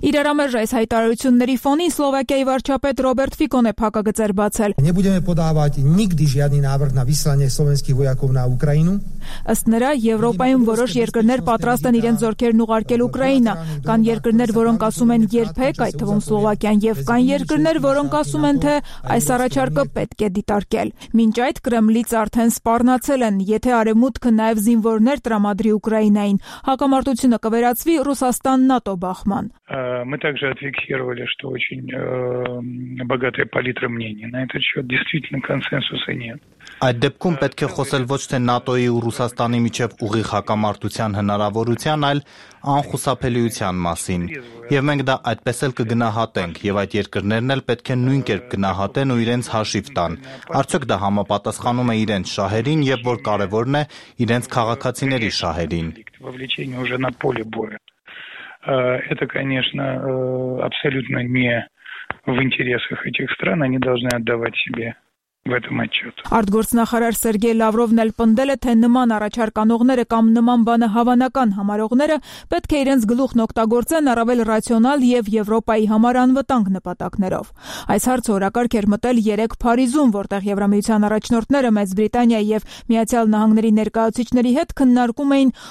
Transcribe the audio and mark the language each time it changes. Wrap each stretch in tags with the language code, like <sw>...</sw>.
<hy>Իրարամերժ այս հայտարարությունների ֆոնին Սլովակիայի վարչապետ Ռոբերտ Ֆիկոն է փակագծեր բացել։</hy> <ru>Не будем подавать никогда жадный наверх на выслание словенских вояков на Украину.</ru> <hy>Ըստ նրա Եվրոպայում որոշ երկրներ պատրաստ են իրենց զորքերն ուղարկել Ուկրաինա, կան երկրներ, որոնք ասում են երբեք, այդ թվում Սլովակիան, եւ կան երկրներ, որոնք ասում են, թե այս առաջարկը պետք է դիտարկել։ Մինչ այդ Կրեմլից արդեն սպառնացել են, եթե արևմուտքը նաև զինվորներ տրամադրի Ուկրաինային, հակամարտությունը կվերածվի Ռուսաստան-ՆԱՏՕ բախման։</hy> <ru>Мы также отфиксировали, что очень богатая палитра мнений. На этот счет действительно консенсуса нет.</ru> <hy>Այդ դեպքում պետք է խոսել ոչ թե ՆԱՏՕ-ի ու Ռուսաստանի միջև ուղիղ հակամարտության հնարավորության, այլ անխուսափելիության մասին։ Եվ մենք դա այդպես էլ կգնահատենք, եւ այդ երկրներն էլ պետք է նույն կերպ գնահատեն ու իրենց հաշիվ տան։ Արդյոք դա համապատասխանում է իրենց շահերին եւ, որ կարևորն է, իրենց քաղաքացիների շահերին։</hy> <ru>Это, конечно, абсолютно не в интересах этих стран, они должны отдавать себе в этом отчёт.</ru> <hy>Արտգործնախարար Սերգեյ Լավրովն էլ պնդել է, թե նման առաջարկանողները կամ նման բանը հավանական համարողները պետք է իրենց գլուխն օգտագործեն առավել ռացիոնալ եւ Եվրոպայի համար անվտանգ նպատակներով։ Այս հարցը օրակարգեր մտել 3 Փարիզում, որտեղ Եվրամիության առաջնորդները Մեծ Բրիտանիա եւ Միացյալ Նահանգների ներկայացուցիչների հետ քննարկում էին</hy>